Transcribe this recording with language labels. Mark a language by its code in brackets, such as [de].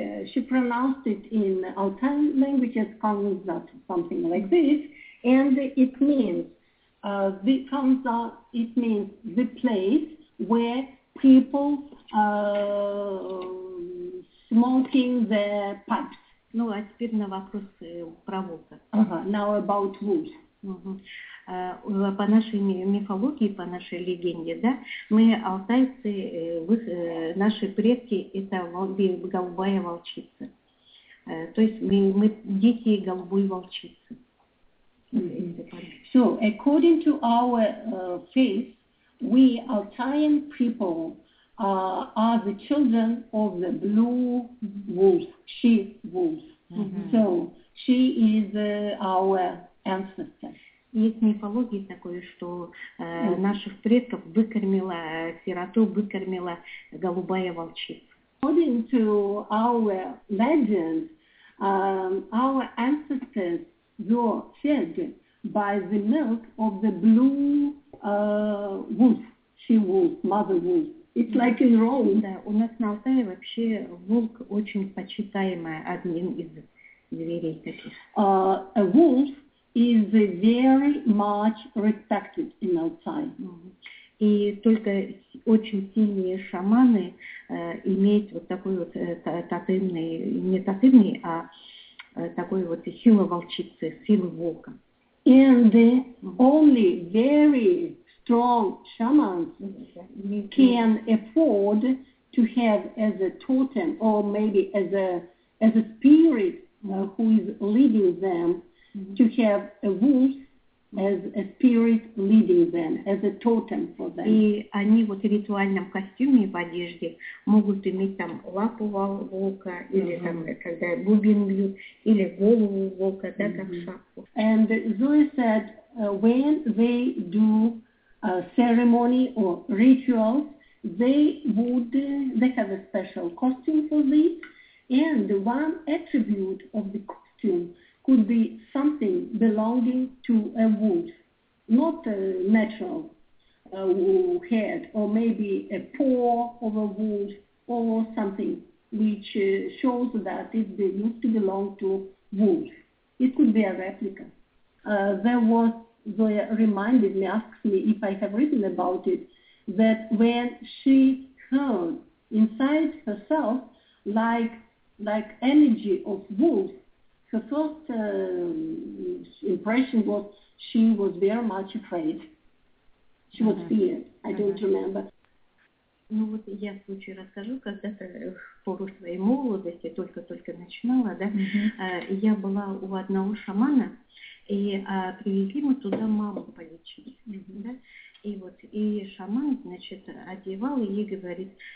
[en] and she pronounced it in Altai language as Kansas, something like this, and it means the Kansas, it means the place where people smoking their pipes. [ru] Ну, а теперь на вопрос про волка. [en] Ага, now about wolves. Uh-huh. [ru] По нашей мифологии, по нашей легенде, да, мы алтайцы, наши предки – это голубая волчица. То есть мы дети голубой волчицы. Mm-hmm. [en] So, according to our faith, we Altaian people are the children of the blue wolf, she wolf. Mm-hmm. So she is our ancestor. [ru] Есть мифология такая, что наших предков выкормила сироту, выкормила голубая волчица. [en] According to our legend, our ancestors were fed by the milk of the blue wolf, she wolf, mother wolf. It's like in Rome. [ru] Да, у нас на Алтае вообще волк очень почитаемый, одним из зверей таких. [en] A wolf is very much respected in Altai. [ru] И только очень сильные шаманы имеют вот такой вот тотемный, не тотемный, а такой вот силу волчицы, силу волка. [en] And only very strong shamans can afford to have as a totem or maybe as a spirit who is leading them to have a wolf as a spirit leading them as a totem for them. [ru] И они вот в ритуальном костюме, в одежде могут иметь там лапу волка или там когда бубен бьют или голову волка, да, как шапку. [en] And Zoya said when they do a ceremony or ritual, they have a special costume for this, and one attribute of the costume could be something belonging to a wolf, not a natural head, or maybe a paw of a wolf, or something which shows that it used to belong to wolf. It could be a replica. There was Zoya reminded me, asked me if I have written about it, that when she heard inside herself like energy of wolf, her first impression was she was very much afraid. She was feared. I don't remember. [ru] Ну вот я случай расскажу, когда-то в пору своей молодости, только-только начинала, да, я была у одного шамана, и привезли мы туда маму полечить, да, и вот, и шаман, значит, одевал, и ей говорит,